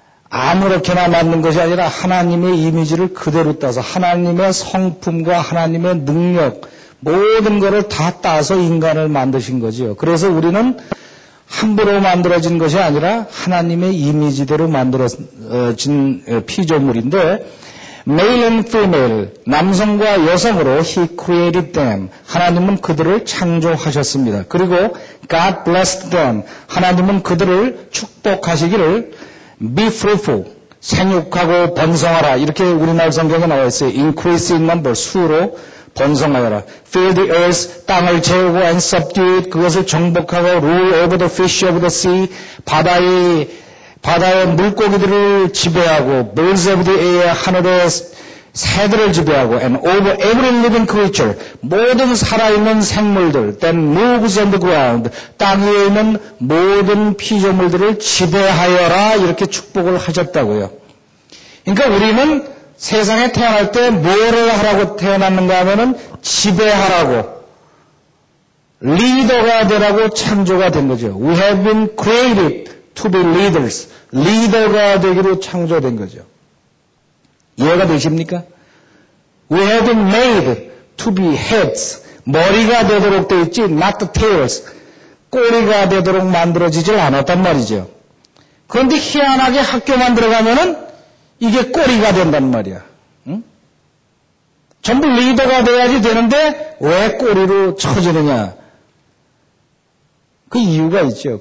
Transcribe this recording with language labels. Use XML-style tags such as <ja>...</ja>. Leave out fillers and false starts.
<ko>아무렇게나 만든 것이 아니라 하나님의 이미지를 그대로 따서 하나님의 성품과 하나님의 능력 모든 것을 다 따서 인간을 만드신 거죠. 그래서 우리는 함부로 만들어진 것이 아니라 하나님의 이미지대로 만들어진 피조물인데</ko> <en>male and female,</en> <ko>남성과 여성으로</ko> <en>He created them.</en> <ko>하나님은 그들을 창조하셨습니다.</ko> <en>그리고 God blessed them.</en> <ko>하나님은 그들을 축복하시기를</ko> <en>Be fruitful,</en> <ko>생육하고 번성하라. 이렇게 우리나라 성경에 나와 있어요.</ko> <en>Increase in number,</en> <ko>수로 번성하여라.</ko> <en>Fill the earth,</en> <ko>땅을 채우고</ko> <en>and subdue it,</en> <ko>그것을 정복하고</ko> <en>rule over the fish of the sea,</en> <ko>바다의 물고기들을 지배하고</ko> <en>birds of the air,</en> <ko>하늘의 새들을 지배하고</ko> <en>and over every living creature,</en> <ko>모든 살아있는 생물들,</ko> <en>then moves on the ground,</en> <ko>땅 위에 있는 모든 피조물들을 지배하여라, 이렇게 축복을 하셨다고요. 그러니까 우리는 세상에 태어날 때 뭐를 하라고 태어났는가 하면은 지배하라고 리더가 되라고 창조가 된 거죠.</ko> <en>We have been created to be leaders.</en> <ko>리더가 되기로 창조된 거죠. 이해가 되십니까?</ko> <en>We have been made to be heads.</en> <ko>머리가 되도록 되어 있지</ko> <en>not the tails.</en> <ko>꼬리가 되도록 만들어지질 않았단 말이죠. 그런데 희한하게 학교만 들어가면은 이게 꼬리가 된단 말이야. 응? 전부 리더가 돼야지 되는데 왜 꼬리로 처지느냐? 그 이유가 있죠.</ko>